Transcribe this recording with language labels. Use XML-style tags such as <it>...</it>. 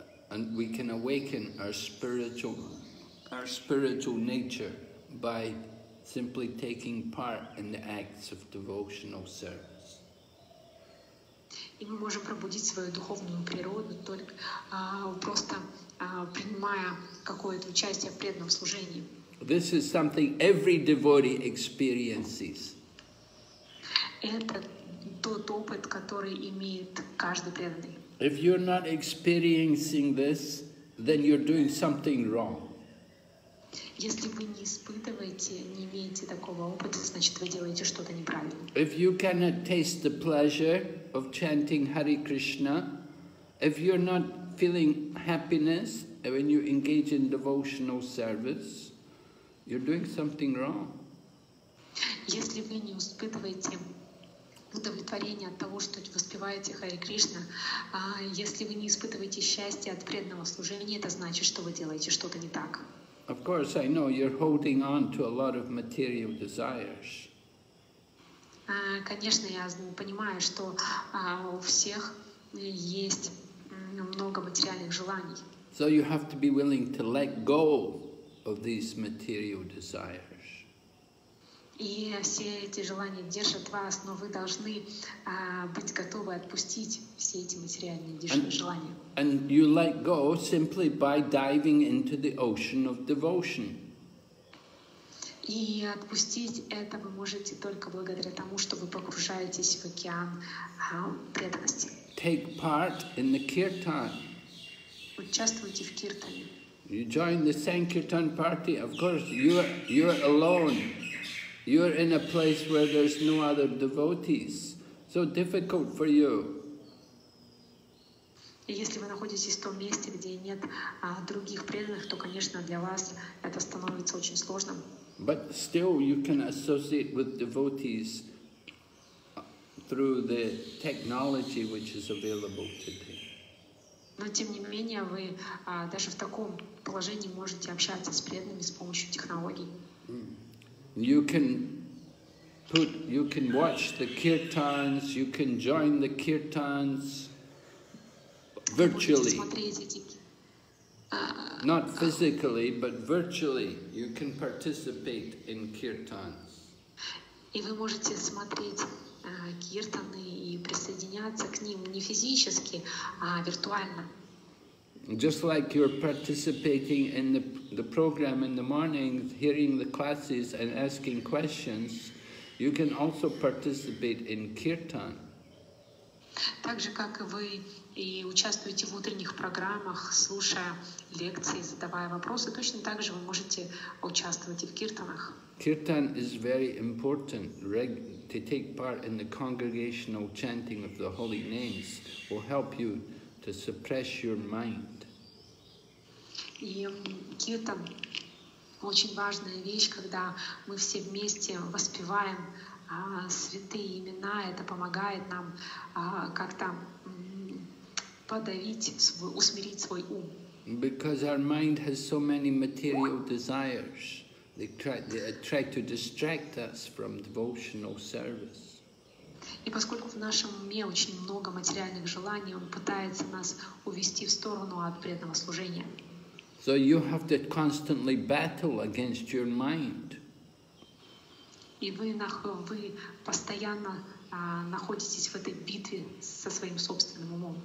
<en>And we can awaken our spiritual nature by simply taking part in the acts of devotional service.</en> <ru>И мы можем пробудить свою духовную природу только просто принимая какое-то участие в преданном служении.</ru> <en>This is something every devotee experiences.</en> <ru>Это тот опыт, который имеет каждый преданный.</ru> <en>If you're not experiencing this, then you're doing something wrong.</en> <ru>Если вы не испытываете, не имеете такого опыта, значит вы делаете что-то неправильно.</ru> <en>If you cannot taste the pleasure of chanting Hare Krishna, if you're not feeling happiness when you engage in devotional service, you're doing something wrong.</en> <ru>Если вы не испытываете удовлетворение от того, что вы воспеваете Хари Кришна, если вы не испытываете счастье от преданного служения, это значит, что вы делаете что-то не так.</ru> <en>Of course, I know you're holding on to a lot of material desires.</en> <ru>Конечно, я понимаю, что у всех есть много материальных желаний.</ru> <en>So you have to be willing to let go of these material desires.</en> <ru>И все эти желания держат вас, но вы должны быть готовы отпустить все эти материальные желания.</ru> <en>And you let go simply by diving into the ocean of devotion.</en> <ru>И отпустить это вы можете только благодаря тому, что вы погружаетесь в океан преданности.</ru> <en>Take part in the kirtan.</en> <ru>Участвуйте в киртане.</ru> <en>You join the Sankirtan party, of course, you're alone. You're in a place where there's no other devotees. So difficult for you.</en> <ru>Если вы находитесь в том месте, где нет других преданных, то, конечно, для вас это становится очень сложным.</ru> <en>But still you can associate with devotees through the technology which is available today.</en> <ru>Но тем не менее вы даже в таком положении можете общаться с преданными с помощью технологий.</ru> <en>You can watch the kirtans, you can join the kirtans virtually. Not physically, but virtually you can participate in kirtans.</en> <ru>И вы можете смотреть киртаны и присоединяться к ним не физически, а виртуально.</ru> <en>Just like you're participating in the program in the morning, hearing the classes and asking questions, You can also participate in kirtan.</en> <ru>Так же, как и вы и участвуете в утренних программах, слушая лекции, задавая вопросы, точно так же вы можете участвовать и в киртанах.</ru> <en>Kirtan is very important. To take part in the congregational chanting of the holy names will help you to suppress your mind.</en> <ru>И киртан очень важная вещь, когда мы все вместе воспеваем святые имена, это помогает нам как-то подавить, усмирить свой ум.</ru> <en>Because our mind has so many material desires, they try to distract us from devotional service.</en> <ru>И поскольку в нашем уме очень много материальных желаний, он пытается нас увести в сторону от преданного служения.</ru> <en>So you have to constantly battle against your mind.</en> <ru>И вы постоянно находитесь в этой битве со своим собственным умом.</ru>